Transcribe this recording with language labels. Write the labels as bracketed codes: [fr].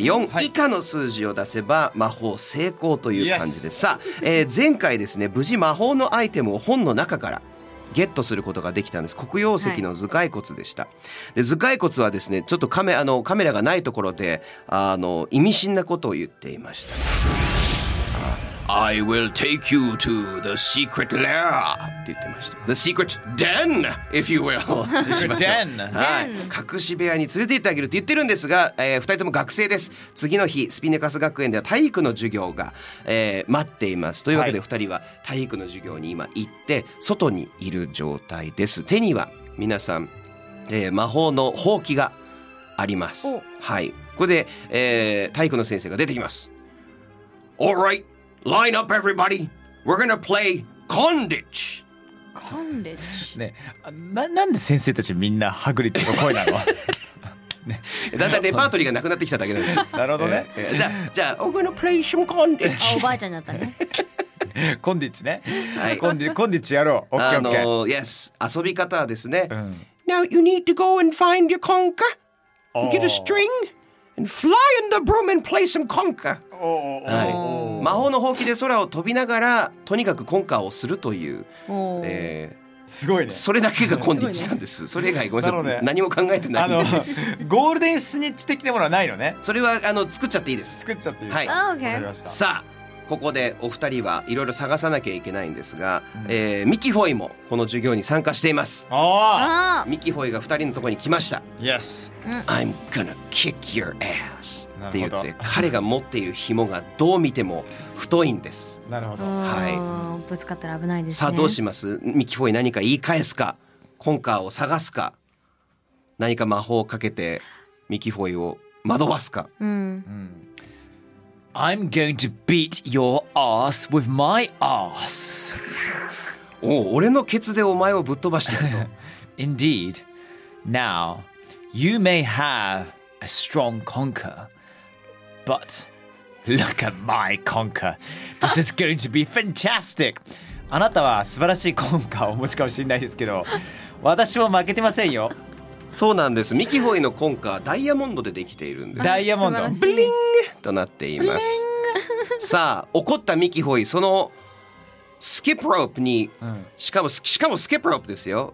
[ja] 4以下の数字を出せば魔法成功という感じです。さあ、前回ですね、無事魔法のアイテムを本の中からゲットすることができたんです。黒曜石の頭蓋骨でした。で頭蓋骨はですね、ちょっとカメラがないところで意味深なことを言っていました。 [en] I will take you to the secret lair [ja] って言ってました。 [en] The secret den if you will den、 [ja] はい、隠し部屋に連れて行ってあげるって言ってるんですが、2人とも学生です。次の日スピネカス学園では体育の授業が、待っています。というわけで2人は体育の授業に今行って外にいる状態です。手には皆さん、魔法のほうきがあります。はい、ここで、体育の先生が出てきます。 [en] All rightLine up everybody. We're gonna play Conditch. Conditch. [ja] ね、なんで先生たちみんなハグリッドの声なの？ね、だんだんレパートリーがなくなってきただけだね。なるほどね。 [en] じゃあ、We're gonna play some Conditch. [ja] おばあちゃんだったね。コンディッチね。はい。コンディッチやろう。 [en] OK OK。 Yes. [ja] 遊び方はですね。うん、 [en] Now you need to go and find your conker. Get a string. And fly in the broom and play some conka. Oh, [ja] はい、魔法のほうきで空を飛びながらとにかくコンカをするという、 [en] oh. [ja] すごいね。それだけがコンディッチなんです。すごいね、それ以外ごめんなさい、何も考えてないんで。ゴールデンスニッチ的なものはないのね。それは作っちゃっていいです。作っちゃっていいです。はい。 [en] Oh, okay. [ja] わかりました。さあ、ここでお二人はいろいろ探さなきゃいけないんですが、ミキホイもこの授業に参加しています。ミキホイが二人のところに来ました。 [en] Yes. I'm gonna kick your ass [ja] って言って、彼が持っている紐がどう見ても太いんです。なるほど。はい。ぶつかったら危ないですね。さあどうします？ミキホイ何か言い返すか、コンカーを探すか、何か魔法をかけてミキホイを惑わすか。うん。 [en] うん、I'm going to beat your ass with my ass. [ja] お、俺のケツでお前をぶっ飛ばしてると。 [en] Indeed. Now, you may have a strong conker, but look at my conker. This is going to be fantastic. [ja] あなたは素晴らしいコンカーをお持ちかもしれないですけど、私も負けてませんよ。そうなんです、ミキホイのコンカーダイヤモンドでできているんです。ダイヤモンドブリンとなっています。ブリン。さあ怒ったミキホイ、そのスキップロープに、しかもスキップロープですよ、